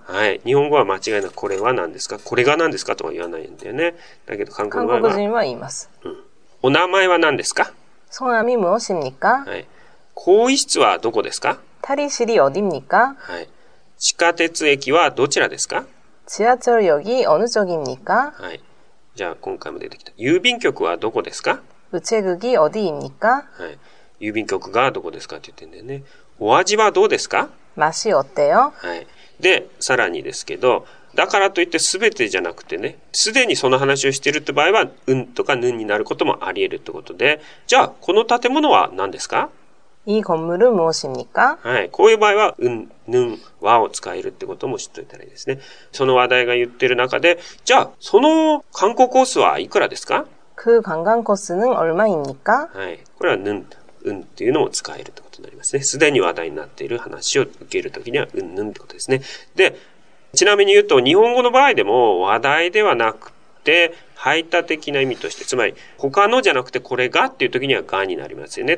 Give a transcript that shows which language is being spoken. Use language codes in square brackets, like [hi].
[ja] はい、日本語は間違いなくこれは何ですか、これが何ですかとは言わないんだよね。だけど韓国語は、韓国人は言います。うん。お名前は何ですか？ [ko] 성함이무엇입니까？ [ja] はい。更衣室はどこですか？ [ko] 탈의실이어디입니까？ [ja] はい。地下鉄駅はどちらですか？ [ko] 지하철역이어느쪽입니까？ [ja] はい。じゃあ今回も出てきた。郵便局はどこですか？ [ko] 우체국이어디입니까？ [ja] はい。郵便局がどこですかって言ってんだよね。お味はどうですか？ [ko] 맛이어때요？ [ja] はい。で、さらにですけど、だからといってすべてじゃなくてね、すでにその話をしているって場合は、うんとかぬんになることもあり得るってことで、じゃあこの建物は何ですか？ [ko] 이건물은무엇입니까？ [ja] はい。こういう場合は、うん、ぬん、わを使えるってことも知っておいたらいいですね。その話題が言ってる中で、じゃあ、その観光コースはいくらですか？ [ko] 그관광코스는얼마입니까？ [ja] はい。これは、ぬん、うんっていうのも使えるってことになりますね。すでに話題になっている話を受けるときには、うん、ぬんってことですね。で、ちなみに言うと、日本語の場合でも話題ではなくて、排他的な意味として、つまり他のじゃなくてこれがっていう時にはがになりますよね。